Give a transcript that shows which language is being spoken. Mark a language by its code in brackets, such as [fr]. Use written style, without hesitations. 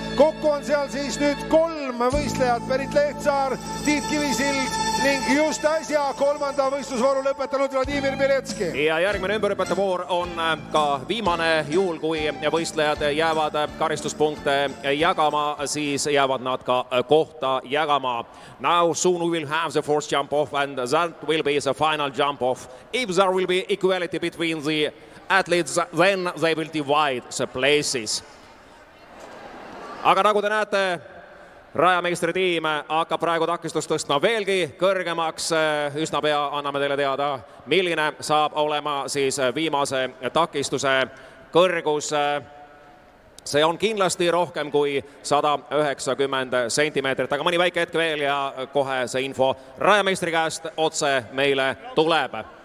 [et] Kokku on seal siis nüüd kolm võistlejat. Perit Lehtsaar, Tiit Kivisild ning just äsja kolmanda võistlusvooru lõpetanud Vladimir Beletski. Ja järgmine ümberhüpete voor on ka viimane juhul, kui võistlejad jäävad karistuspunkte jagama, siis jäävad nad ka kohta jagama. [en] Now soon we will have the first jump off and that will be the final jump off. If there will be equality between the athletes, then they will divide the places. [et] Aga nagu te näete, rajameistri tiim hakkab praegu takistust tõstma veelgi kõrgemaks. Üsna pea anname teile teada, milline saab olema siis viimase takistuse kõrgus. See on kindlasti rohkem kui 190 sentimeetrit, aga mõni väike hetk veel ja kohe see info rajameistri käest otse meile tuleb.